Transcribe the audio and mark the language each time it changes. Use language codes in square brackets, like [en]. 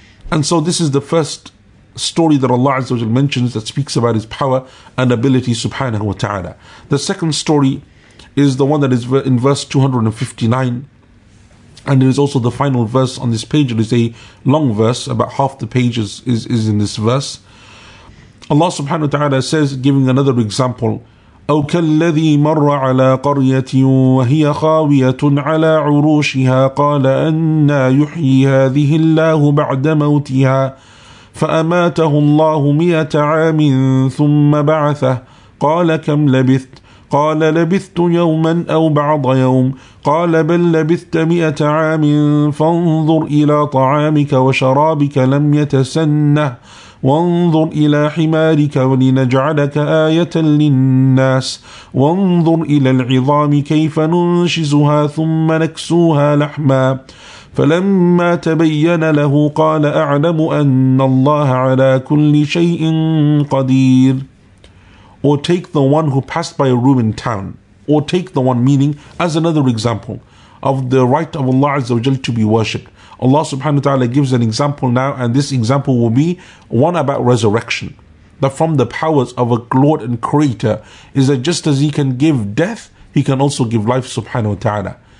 [en] And so this is the first story that Allah Azza wa Jal mentions that speaks about his power and ability subhanahu wa ta'ala. The second story is the one that is in verse 259. And it is also the final verse on this page. It is a long verse, about half the page is in this verse. Allah subhanahu wa ta'ala says, giving another example, [ar] أَوْ كَالَّذِي مَرَّ عَلَىٰ قَرْيَةٍ وَهِيَ خَاوِيَةٌ عَلَىٰ عُرُوشِهَا قَالَ أَنَّا يُحْيِي هَذِهِ اللَّهُ بَعْدَ مَوْتِهَا فَأَمَاتَهُ اللَّهُ 100 عَامٍ ثُمَّ بَعَثَهُ قَالَ كَمْ لَبِثْتُ قَالَ لَبِثْتُ يَوْمًا أَوْ بَعْضَ يَوْمٍ قَالَ بَلْ لَبِثْتَ 100 عَامٍ فَانْظُرْ إِلَىٰ طَعَامِكَ وَشَرَابِكَ لَمْ يَتَسَنَّهُ وانظر إلى حمارك ولنجعلك آية للناس وانظر إلى العظام كيف ننشزها ثم نكسوها لحما فلما تبين له قال أعلم أن الله على كل شيء قدير. [en] Or take the one who passed by a ruined town. Or take the one, meaning as another example of the right of Allah Azza wa Jal to be worshipped. Allah subhanahu wa ta'ala gives an example now, and this example will be one about resurrection. That from the powers of a Lord and Creator is that just as He can give death, He can also give life subhanahu wa ta'ala.